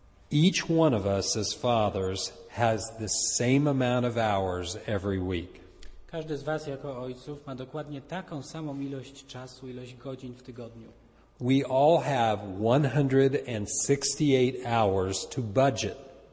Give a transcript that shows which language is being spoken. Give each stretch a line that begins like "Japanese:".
English: Each one of us as fathers has the same amount of hours every week.
Polish: Każdy z was jako ojców ma dokładnie taką samą ilość czasu, ilość godzin w tygodniu.
English: We all have 168 hours to budget.